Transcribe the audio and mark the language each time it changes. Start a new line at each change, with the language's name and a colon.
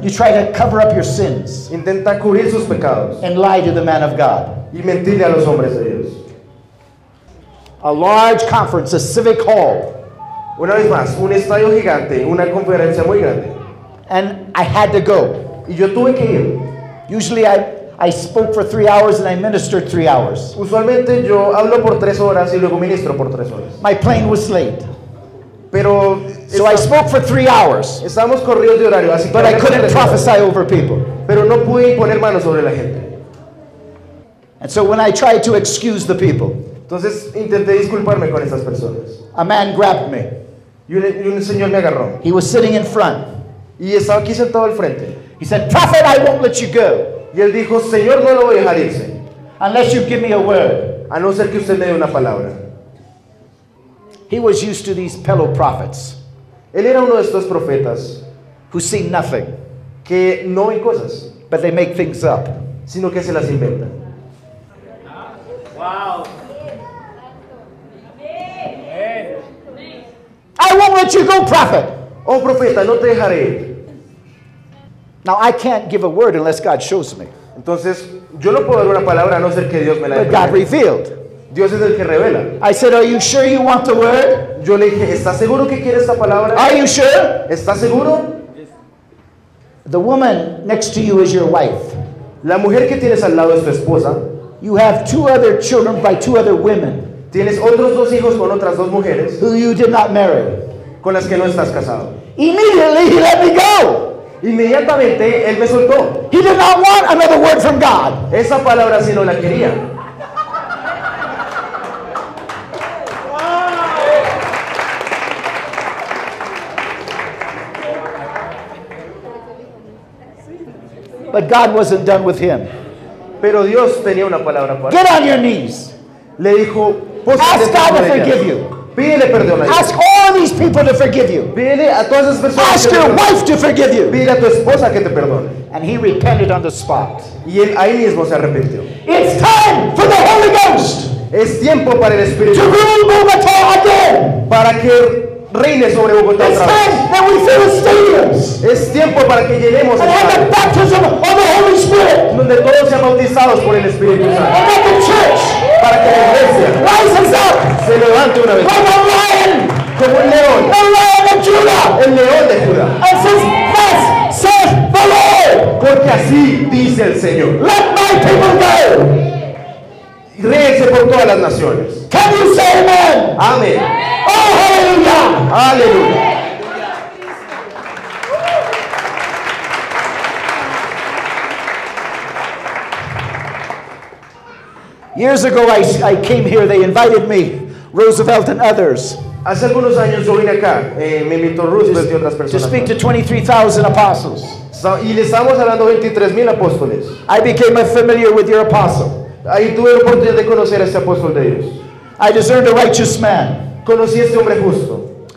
English: You try to cover up your sins.
Spanish: Intenta cubrir sus pecados.
English: And lie to the man of God.
Spanish: Y mentirle a los hombres de Dios.
English: A large conference, a civic hall.
Spanish: Una vez más, un estadio gigante, una conferencia muy grande.
English: And I had to go.
Spanish: Y yo tuve que ir.
English: Usually I spoke for 3 hours and I ministered 3 hours.
Spanish: Usualmente yo hablo por 3 horas y luego ministro por 3 horas.
English: My plane was late.
Spanish: Pero
English: so I spoke for 3 hours.
Spanish: Estábamos corridos de horario, así
English: but
Spanish: que
English: I couldn't prophesy over people.
Spanish: Pero no pude poner manos sobre la gente.
English: And so when I tried to excuse the people,
Spanish: entonces intenté disculparme con esas personas.
English: A man grabbed me.
Spanish: Y un señor me agarró.
English: He was sitting in front.
Spanish: Y estaba aquí sentado al frente.
English: He said, "Prophet, I won't let you go."
Spanish: Y él dijo, "Señor, no lo voy a dejar irse."
English: Unless you give me a word.
Spanish: A no ser que usted me dé una palabra.
English: He was used to these pillow prophets.
Spanish: Él era uno de estos profetas
English: who see nothing,
Spanish: que no ven cosas,
English: but they make things up,
Spanish: sino que se las inventan.
English: Wow. I won't let you go, prophet.
Spanish: Oh, profeta, no te dejaré ir.
English: Now I can't give a word unless God shows me.
Spanish: Entonces, yo no puedo dar una palabra a no ser que Dios me la dé.
English: But God revealed.
Spanish: Dios es el que revela.
English: I said, "Are you sure you want the word?"
Spanish: Yo le dije, "¿Estás seguro que quieres esta palabra?"
English: Are you sure?
Spanish: ¿Estás seguro?
English: The woman next to you is your wife.
Spanish: La mujer que tienes al lado es tu esposa.
English: You have two other children by two other women.
Spanish: Tienes otros dos hijos con otras dos mujeres.
English: Who you did not marry.
Spanish: Con las que no estás casado.
English: Immediately he let me go.
Spanish: Inmediatamente él me soltó.
English: He did not want another word from God.
Spanish: Esa palabra sí no la quería.
English: Wow. But God wasn't done with him.
Spanish: Pero Dios tenía una palabra para
English: get on your knees.
Spanish: Le dijo,
English: ask God to forgive you.
Spanish: Pídele perdón a Dios.
English: Ask all these people to forgive you.
Spanish: Pídele a todas esas personas.
English: Ask your wife to forgive you.
Spanish: Pídele a tu esposa que te perdone.
English: And he repented on the spot.
Spanish: Y él ahí mismo se arrepintió.
English: It's time for the Holy Ghost.
Spanish: Es tiempo para el Espíritu.
English: To rule Bogotá again.
Spanish: Para que reine sobre Bogotá otra vez.
English: It's time that we fill the stadiums.
Spanish: Es tiempo para que llenemos el estadio.
English: And have the baptism of the Holy Spirit.
Spanish: Donde todos sean bautizados por el Espíritu Santo.
English: And that the church.
Spanish: Para que la iglesia.
English: Rises up.
Spanish: Se levante una vez.
English: Like a lion.
Spanish: Como un león.
English: The lion of Judah.
Spanish: El león de Judá.
English: And says, thus says the Lord.
Spanish: Porque así dice el Señor.
English: Let my people go.
Spanish: Ríense por todas las naciones.
English: Can you say amen?
Spanish: Amén. Oh, aleluya. Aleluya.
English: Years ago I came here, they invited me, Roosevelt and others.
Spanish: Hace algunos años yo vine acá, me invitó Roosevelt y otras personas.
English: To speak to 23,000 apostles.
Spanish: Y le estamos hablando 23,000 apóstoles.
English: I became familiar with your apostle.
Spanish: Ahí tuve la oportunidad de conocer a este apóstol de Dios.
English: I discerned a righteous man.
Spanish: Conocí a este hombre justo.